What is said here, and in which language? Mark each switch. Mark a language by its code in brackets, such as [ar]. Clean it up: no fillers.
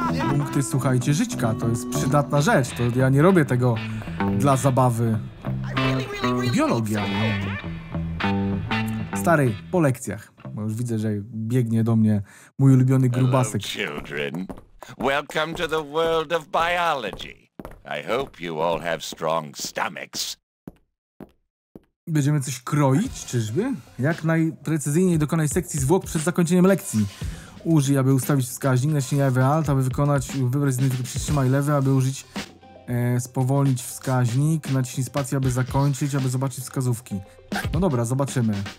[pl] Punkty, słuchajcie, żyćka, to jest przydatna rzecz, to ja nie robię tego dla zabawy. Biologia. Stary, po lekcjach, bo już widzę, że biegnie do mnie mój ulubiony grubasek. [en] Hello, children. Welcome to the world of biology. I hope you all have strong stomachs. [pl] Będziemy coś kroić, czyżby? Jak najprecyzyjniej dokonać sekcji zwłok przed zakończeniem lekcji. Użyj, aby ustawić wskaźnik, naciśnij lewy alt, aby wykonać, wybrać z innych, tylko przytrzymaj lewy, aby użyć, spowolnić wskaźnik, naciśnij spację, aby zakończyć, aby zobaczyć wskazówki. No dobra, zobaczymy.